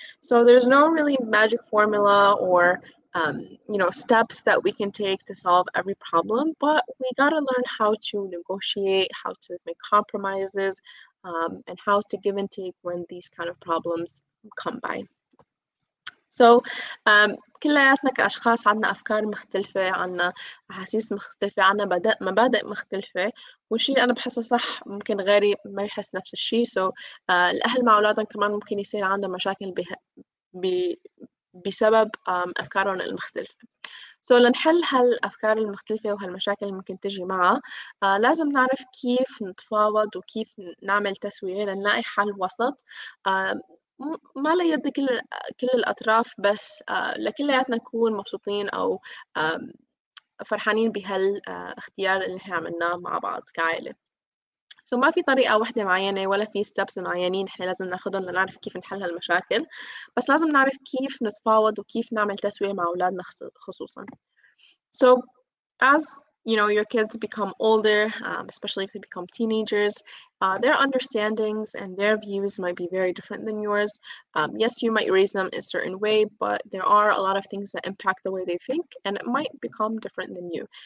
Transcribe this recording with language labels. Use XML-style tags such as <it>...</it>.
<en>So there's no really magic formula or you know, steps that we can take to solve every problem, but we gotta learn how to negotiate, how to make compromises, and how to give and take when these kind of problems come by.</en> <ar>So, كلياتنا كأشخاص عندنا أفكار مختلفة, عندنا أحاسيس مختلفة, عندنا مبادئ مختلفة, والشيء اللي أنا بحسه صح ممكن غيري ما يحس نفس الشيء. So, الأهل مع أولادهم كمان ممكن يصير عندهم مشاكل بسبب أفكارهم المختلفة. سو لنحل هالأفكار المختلفة وهالمشاكل اللي ممكن تجي معها لازم نعرف كيف نتفاوض وكيف نعمل تسوية لنلاقي حل وسط ما لا يرضي كل الأطراف بس لكلياتنا نكون مبسوطين أو فرحانين بهالاختيار اللي احنا عملناه مع بعض كعائلة. سو ما في طريقة واحدة معينة ولا في ستبس معينين احنا لازم ناخذهم لنعرف كيف نحل هالمشاكل، بس لازم نعرف كيف نتفاوض وكيف نعمل تسوية مع أولادنا خصوصا.</ar> <en>So as you know, your kids become older, especially if they become teenagers, their understandings and their views might be very different than yours. Yes, you might raise them a certain way, but there are a lot of things that impact the way they think, and it might become different than you.</en>